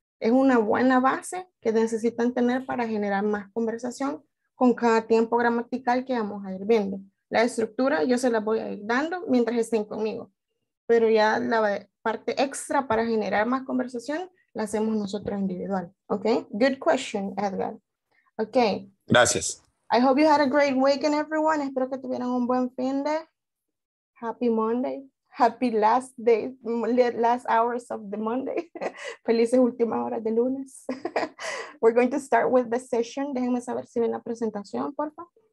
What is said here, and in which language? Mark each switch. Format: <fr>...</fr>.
<es>Es una buena base que necesitan tener para generar más conversación con cada tiempo gramatical que vamos a ir viendo. La estructura yo se la voy a ir dando mientras estén conmigo. Pero ya la parte extra para generar más conversación la hacemos nosotros individual.</es> <en>¿Ok? Good question, Edgar. Ok.</en> <es>Gracias.</es> <en>I hope you had a great weekend, everyone.</en> <es>Espero que tuvieran un buen fin de...</es> <en>Happy Monday. Happy last day, last hours of the Monday.</en> <es>Felices últimas horas de lunes.</es> <en>We're going to start with the session.</en> <es>Déjenme saber si ven la presentación, por favor.</es>